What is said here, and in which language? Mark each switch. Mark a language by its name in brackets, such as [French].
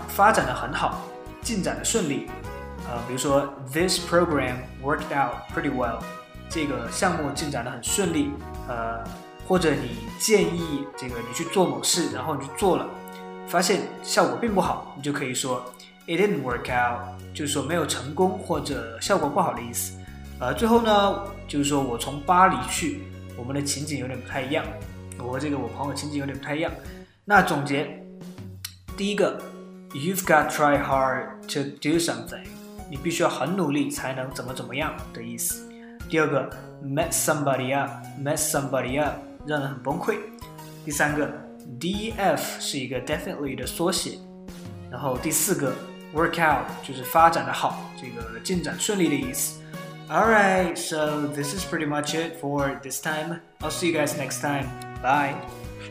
[Chinese] 发展得很好进展得顺利比如说 [English] This program worked out pretty well [Chinese] 这个项目进展得很顺利或者你建议这个你去做某事然后你去做了发现效果并不好你就可以说 [English] It didn't work out [Chinese] 就是说没有成功或者效果不好的意思最后呢就是说我从巴黎去我们的情景有点不太一样我和这个我朋友情景有点不太一样那总结第一个 [English] You've got to try hard to do something [Chinese] 你必须要很努力才能怎么怎么样的意思第二个 [English] Mess somebody up [Chinese] 让人很崩溃第三个 DEF 是一个 definitely 的缩写然后第四个 work out 就是发展的好，这个进展顺利的意思。 [English] All right, so this is pretty much it for this time. I'll see you guys next time. Bye.